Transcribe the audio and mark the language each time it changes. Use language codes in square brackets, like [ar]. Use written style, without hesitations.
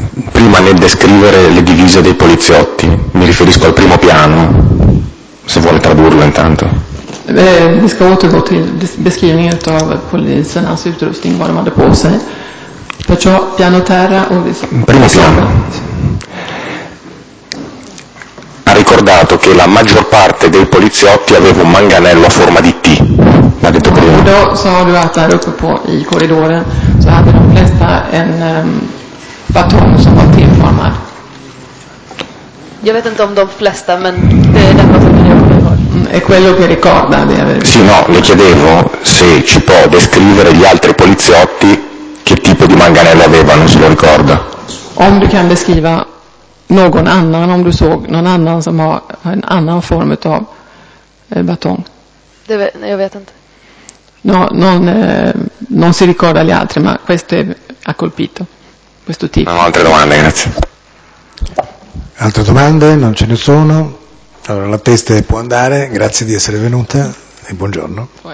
[it] Prima nel descrivere le divise dei poliziotti, mi riferisco al primo piano, se vuole tradurlo intanto. [sv] Vi ska återgå till beskrivningen av polisernas utrustning, vad de hade på sig. [it] Perciò piano terra och primo piano. Ha ricordato che la maggior parte dei poliziotti aveva un manganello a forma di T. Ha detto prima. [sv] Då sa du att där uppe på i korridoren så hade de flesta en batong som var T-formad. Jag vet inte om de flesta, men det är detta som jag har. [it] È quello che ricorda di aver visto. Sì, no, le chiedevo se ci può descrivere gli altri poliziotti che tipo di manganello avevano, se lo ricorda. [sv] Om du kan beskriva någon annan, om du såg någon annan som har en annan form av batong. Jag vet inte. [it] No, non si ricorda gli altri, ma questo ha colpito questo tipo. No, altre domande, grazie. Altre domande? Non ce ne sono. Allora la testa può andare, grazie di essere venuta e buongiorno.